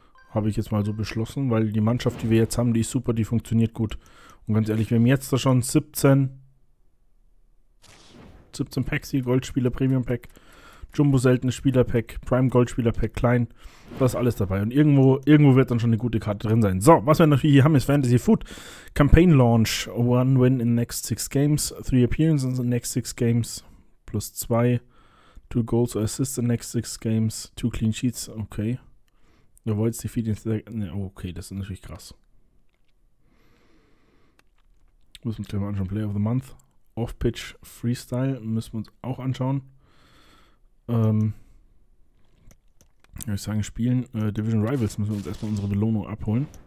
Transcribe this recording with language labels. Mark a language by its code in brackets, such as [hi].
[de] Habe ich jetzt mal so beschlossen, weil die Mannschaft, die wir jetzt haben, die ist super, die funktioniert gut. Und ganz ehrlich, wir haben jetzt da schon 17 Packs hier, Goldspieler, Premium Pack. Jumbo seltenes Spielerpack, Prime Goldspielerpack, Klein, das ist alles dabei. Und irgendwo wird dann schon eine gute Karte drin sein. So, was wir natürlich hier haben, ist Fantasy Food. [en] Campaign Launch, one win in next 6 games, 3 appearances in the next 6 games, plus 2, 2 goals or assists in next 6 games, 2 clean sheets, okay. Avoids defeat in the... [de] Okay, das ist natürlich krass. Müssen wir uns gleich mal anschauen, Player of the Month. Off-Pitch Freestyle müssen wir uns auch anschauen. Würde ich sagen, spielen Division Rivals, müssen wir uns erstmal unsere Belohnung abholen.